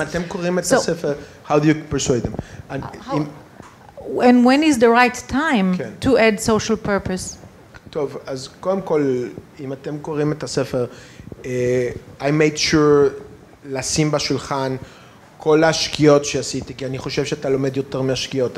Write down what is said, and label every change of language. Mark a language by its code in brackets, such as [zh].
[he] אם אתם קוראים את הספר, [en] how do you persuade them? And when is the right time to add social purpose? [he] טוב, אז קודם כל, אם אתם קוראים את הספר, [en] I made sure [he] לשים בשולחן כל השקיעות שעשיתי, כי אני חושב שאתה לומד יותר מהשקיעות.